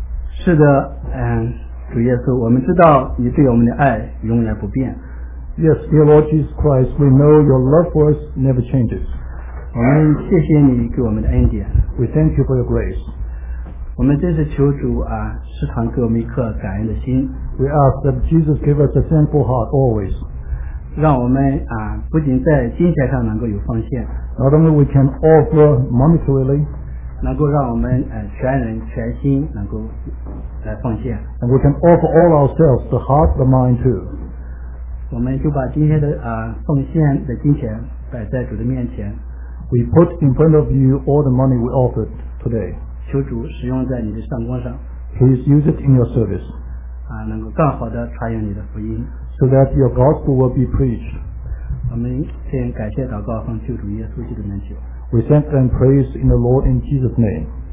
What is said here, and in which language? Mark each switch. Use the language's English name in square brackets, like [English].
[Chinese] 是的，主耶稣，我们知道你对我们的爱永远不变。 [English] Yes, dear Lord Jesus Christ, we know your love for us never changes. [Chinese] 我们谢谢你给我们的恩典。 [English] We thank you for your grace. [Chinese] 我们真是求主时常给我们一颗感恩的心。 [English] We ask that Jesus give us a thankful heart always. [Chinese] 让我们不仅在金钱上能够有奉献。 [English] Not only we can offer monetarily. [Chinese] 能够让我们全人全心能够来奉献。 [English] And we can offer all ourselves, the heart, the mind too. [Chinese] 我们就把今天的奉献的金钱摆在主的面前。 [English] We put in front of you all the money we offered today. [Chinese] 求主使用在你的上工上。 [English] Please use it in your service. [Chinese] 啊，能够更好的传扬你的福音。 [English] So that your gospel will be preached. [Chinese] 我们先感谢祷告，奉救主耶稣基督的名求。 [English] We thank and praise in the Lord in Jesus' name.